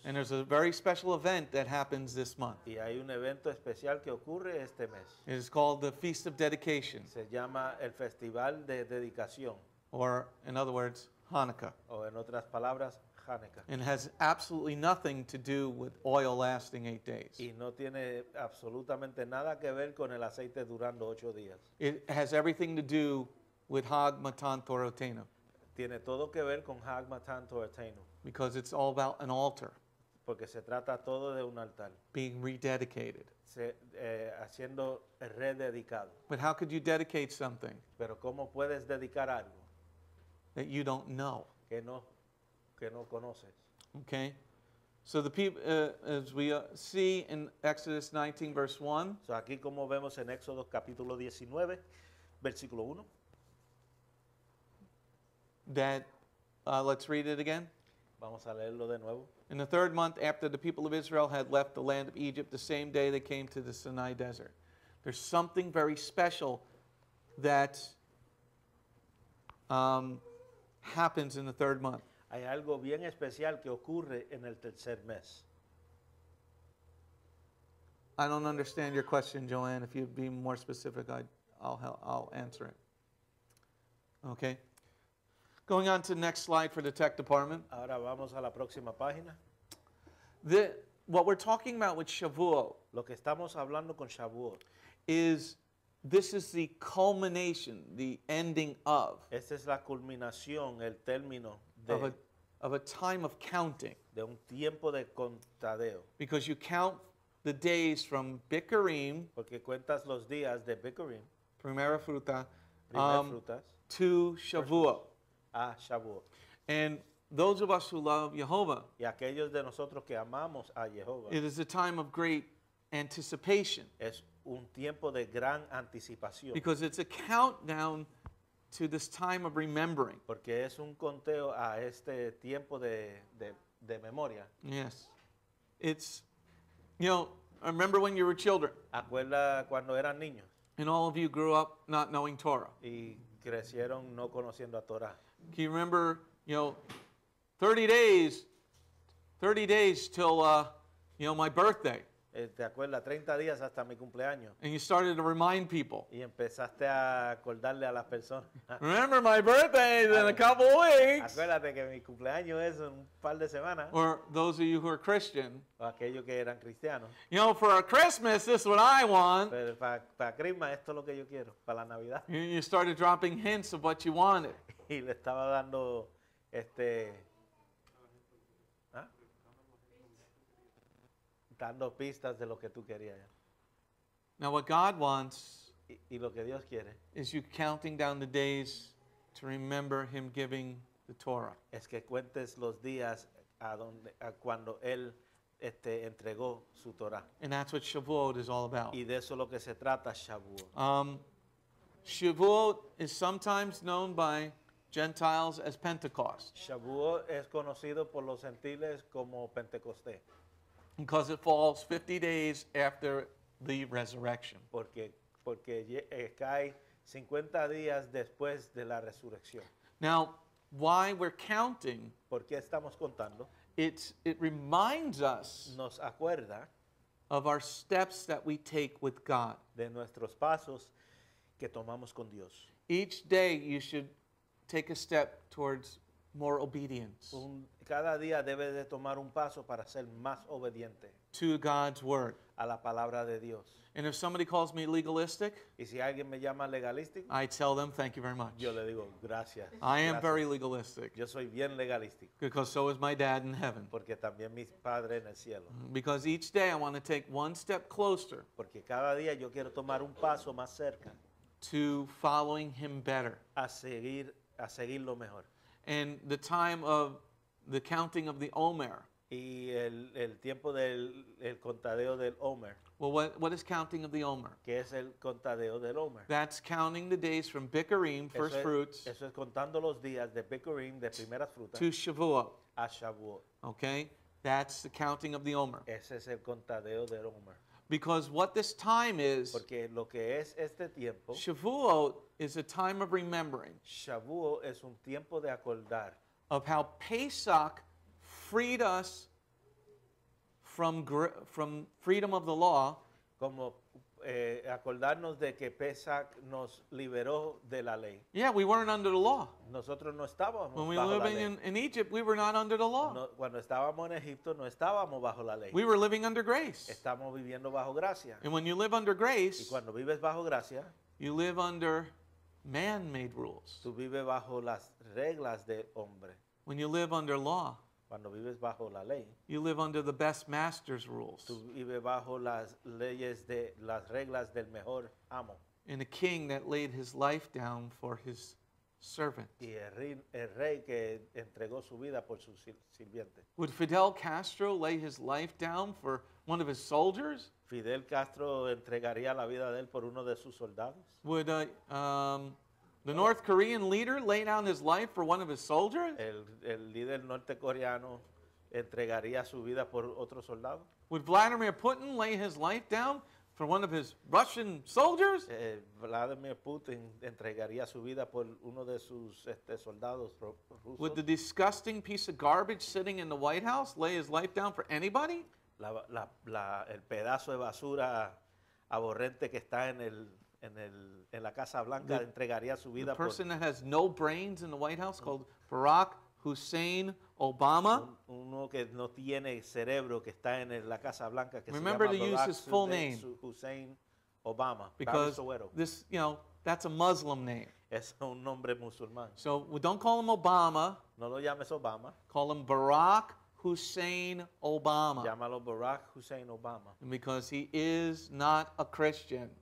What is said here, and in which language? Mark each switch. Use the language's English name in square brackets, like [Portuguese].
[English] And there's a very special event that happens this month. [Spanish] Y hay un evento especial que ocurre este mes. [English] It is called the Feast of Dedication. [Spanish] Se llama el Festival de Dedicación. [English] Or, in other words, Hanukkah. [Spanish] O en otras palabras, Hanukkah. [English] And has absolutely nothing to do with oil lasting 8 days. [Spanish] Y no tiene absolutamente nada que ver con el aceite durando 8 días. [English] It has everything to do with Hag Matan Torah Tenu. [Spanish] Tiene todo que ver con Hag Matan Torah Tenu. [English] Because it's all about an altar. [Spanish] Porque se trata todo de un altar. [English] Being rededicated. [Spanish] Haciendo rededicado. [English] But how could you dedicate something? [Spanish] Pero cómo puedes dedicar algo [English] that you don't know. [Spanish] Que no conoces. [English] Okay. So the people, as we see in Exodus 19, verse 1. [Spanish] So aquí como vemos en Éxodo capítulo 19, versículo 1. [English] That, let's read it again. [Spanish] Vamos a leerlo de nuevo. [English] In the third month after the people of Israel had left the land of Egypt, the same day they came to the Sinai Desert. There's something very special that happens in the third month. [Spanish] Hay algo bien especial que ocurre en el tercer mes. [English] I don't understand your question, Joanne. If you'd be more specific, I'll answer it. Okay. Going on to the next slide for the tech department. [Spanish] Ahora vamos a la próxima página. [English] What we're talking about with Shavuot. [Spanish] Lo que estamos hablando con Shavuot. [English] This is the culmination, the ending of. [Spanish] Esta es la culminación, el término de. [English] Of a time of counting. [Spanish] De un tiempo de contadeo. [English] Because you count the days from Bikurim, [Spanish] porque cuentas los días de Bikurim, primera fruta, primeras frutas, [English] to Shavuot. Ah, Shavuot. And those of us who love Jehovah, [Spanish] y aquellos de nosotros que amamos a Jehovah, [English] it is a time of great anticipation. [Spanish] Es un tiempo de gran anticipación. [English] Because it's a countdown to this time of remembering. [Spanish] Porque es un conteo a este tiempo de memoria. [English] Yes. It's, you know, I remember when you were children. [Spanish] Acuerda cuando eran niños. [English] And all of you grew up not knowing Torah. [Spanish] Y crecieron no conociendo a Torah. [English] Can you remember, you know, 30 days till, you know, my birthday. [Spanish] ¿Te acuerdas? 30 días hasta mi cumpleaños. [English] And you started to remind people. [Spanish] Y empezaste a acordarle a las personas. [English] Remember my birthday is in a couple of weeks. [Spanish] Acuérdate que mi cumpleaños es un par de semanas. [English] Or those of you who are Christian. [Spanish] O aquellos que eran cristianos. [English] You know, for a Christmas, this is what I want. [Spanish] Pero para Christmas, esto es lo que yo quiero, para la Navidad. [English] And you started dropping hints of what you wanted. [Spanish] Y le estaba dando, este... dando pistas de lo que tú querías. [English] Now what God wants [Spanish] y lo que Dios quiere [English] is you counting down the days to remember him giving the Torah. [Spanish] Es que cuentes los días a donde a cuando él este entregó su Torah. [English] And that's what Shavuot is all about. [Spanish] Y de eso lo que se trata Shavuot. [English] Shavuot is sometimes known by Gentiles as Pentecost. [Spanish] Shavuot es conocido por los gentiles como Pentecostés. [English] Because it falls 50 days after the resurrection. [Spanish] Porque cae 50 días después de la resurrección. [English] Now, why we're counting? [Spanish] ¿Por qué estamos contando? [English] It reminds us [Spanish] nos acuerda [English] of our steps that we take with God. [Spanish] De nuestros pasos que tomamos con Dios. [English] Each day you should take a step towards more obedience. [Spanish] Cada día debe de tomar un paso para ser más obediente. [English] To God's word. [Spanish] A la palabra de Dios. [English] And if somebody calls me legalistic, [Spanish] y si alguien me llama legalístico, [English] I tell them thank you very much. [Spanish] Yo le digo gracias. [English] I am very legalistic. [Spanish] Yo soy bien legalístico. [English] Because so is my dad in heaven. [Spanish] Porque también mi padre en el cielo. [English] Because each day I want to take one step closer. [Spanish] Porque cada día yo quiero tomar un paso más cerca. [English] To following him better. [Spanish] A seguirlo mejor. [English] And the time of the counting of the Omer. [Spanish] Y el tiempo del el contadeo del Omer. [English] Well, what is counting of the Omer? [Spanish] ¿Qué es el contadeo del Omer? [English] That's counting the days from Bikurim, first fruits. [Spanish] Eso es contando los días de Bikurim, de primeras frutas. [English] To Shavuot. [Spanish] A Shavuot. [English] Okay? That's the counting of the Omer. [Spanish] Ese es el contadeo del Omer. [English] Because what this time is, [Spanish] porque lo que es este tiempo, [English] Shavuot is a time of remembering. [Spanish] Shavuot es un tiempo de acordar. [English] Of how Pesach freed us from freedom of the law. [Spanish] Como acordarnos de que Pesach nos liberó de la ley. [English] Yeah, we weren't under the law. [Spanish] Nosotros no estábamos [English] when [Spanish] bajo [English] we were [Spanish] la [English] living [Spanish] ley. [English] In Egypt, we were not under the law. [Spanish] No, cuando estábamos en Egipto, no estábamos bajo la ley. [English] We were living under grace. [Spanish] Estamos viviendo bajo gracia. [English] And when you live under grace, [Spanish] y cuando vives bajo gracia, [English] you live under man-made rules. [Spanish] Tú vives bajo las reglas de hombre. [English] When you live under law, [Spanish] cuando vives bajo la ley, [English] you live under the best master's rules. [Spanish] Tú vives bajo las leyes de las reglas del mejor amo. [English] And a king that laid his life down for his servant. [Spanish] Y el rey que entregó su vida por su sirviente. [English] Would Fidel Castro lay his life down for one of his soldiers? [Spanish] Fidel Castro entregaría la vida de él por uno de sus soldados. [English] Would the North Korean leader lay down his life for one of his soldiers? [Spanish] El líder norcoreano entregaría su vida por otro soldado. [English] Would Vladimir Putin lay his life down for one of his Russian soldiers? [Spanish] Vladimir Putin entregaría su vida por uno de sus soldados rusos. [English] Would the disgusting piece of garbage sitting in the White House lay his life down for anybody? [Spanish] El pedazo de basura aborrente que está en la Casa Blanca entregaría su vida [English] por... The person that has no brains in the White House called Barack Hussein Obama. [Spanish] Uno que no tiene cerebro que está en la Casa Blanca que [English] remember [Spanish] se llama [English] to [Spanish] Barack [English] use his full name. [Spanish] Hussein Obama. [English] Because this, you know, that's a Muslim name. [Spanish] Es un nombre musulmán. [English] So don't call him Obama. [Spanish] No lo llames Obama. [English] Call him Barack Hussein Obama. [Spanish] Llámalo Barack Hussein Obama. [English] Because he is not a Christian.